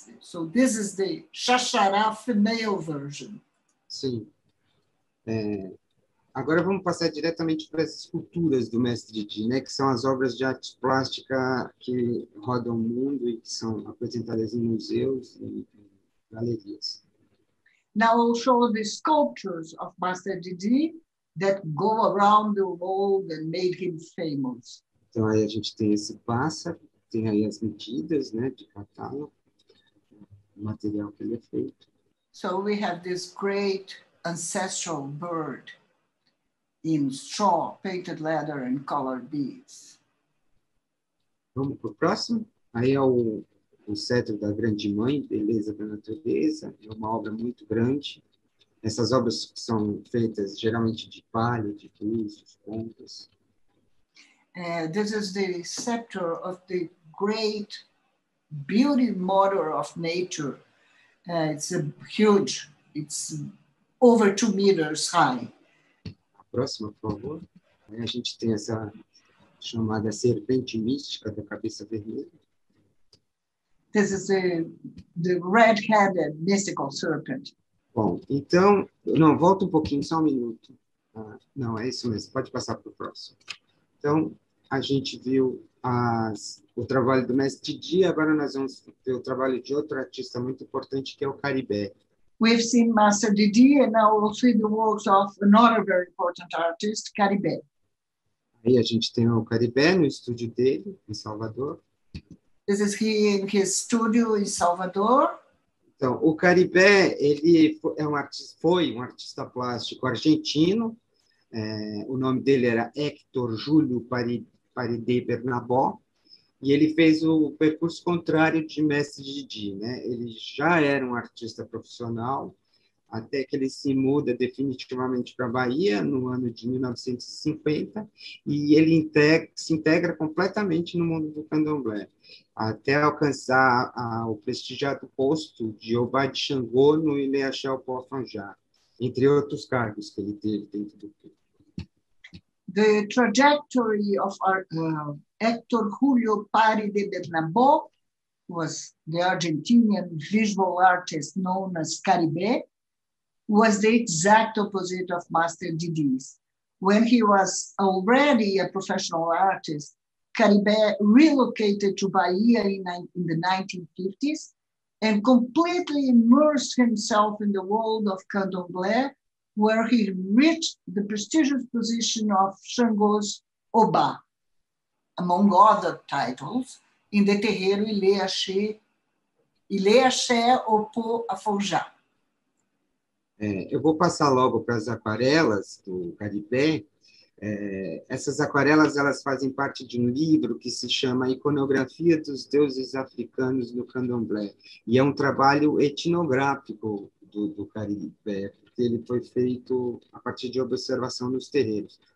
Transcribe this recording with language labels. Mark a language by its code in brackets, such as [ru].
[en] So this is the xaxará female version. [pt] Sim. Agora vamos passar diretamente para as esculturas do Mestre Didi, né, que são as obras de arte plástica que rodam o mundo e que são apresentadas em museus e galerias. [en] Now I'll show the sculptures of Master Didi that go around the world and made him famous. [pt] Então aí a gente tem esse pássaro, tem aí as medidas, né, de catálogo, o material que ele é feito. [en] So we have this great ancestral bird in straw, painted leather, and colored beads. [pt] Vamos para o próximo. Aí é o cetro da Grande Mãe, Beleza da Natureza. É uma obra muito grande. Essas obras são feitas geralmente de palha, de cruzes, pontas. [en] This is the scepter of the great beauty mother of nature. It's a huge, it's over 2 meters high. [pt] Próxima, por favor. Aí a gente tem essa chamada serpente mística da cabeça vermelha. [en] This is the red-headed mystical serpent. [pt] Bom, então, não, volta um pouquinho, só um minuto. Não, é isso mesmo, pode passar para o próximo. Então, a gente viu o trabalho do mestre Didi, agora nós vamos ver o trabalho de outro artista muito importante, que é o Caribé. [en] We've seen Master Didi, and now we'll see the works of another very important artist, Caribé. [pt] Aí a gente tem o Caribé no estúdio dele, em Salvador. [en] This is he in his studio in Salvador. [pt] Então, o Caribé, ele foi um artista plástico argentino. O nome dele era Héctor Júlio Paredes Bernabó. E ele fez o percurso contrário de Mestre Didi, né? Ele já era um artista profissional, até que ele se muda definitivamente para a Bahia, no ano de 1950, e ele se integra completamente no mundo do candomblé, até alcançar o prestigiado posto de Obá de Xangô no Ilê-Axé Opó-Fanjá, entre outros cargos que ele teve dentro do clube. [en] The trajectory of our Héctor Julio Pari de Bernabó was the Argentinian visual artist known as Caribe, was the exact opposite of Master Didi's. When he was already a professional artist, Caribe relocated to Bahia in the 1950s and completely immersed himself in the world of candomblé, where he reached the prestigious position of Xangô's Obá, among other titles, in the terreiro Ilê-Axé Opó Afonjá. [pt] Eu vou passar logo para as aquarelas do Caribé. Essas aquarelas elas fazem parte de um livro que se chama Iconografia dos Deuses Africanos no Candomblé. E é um trabalho etnográfico do Caribé, porque ele foi feito a partir de observação nos terreiros.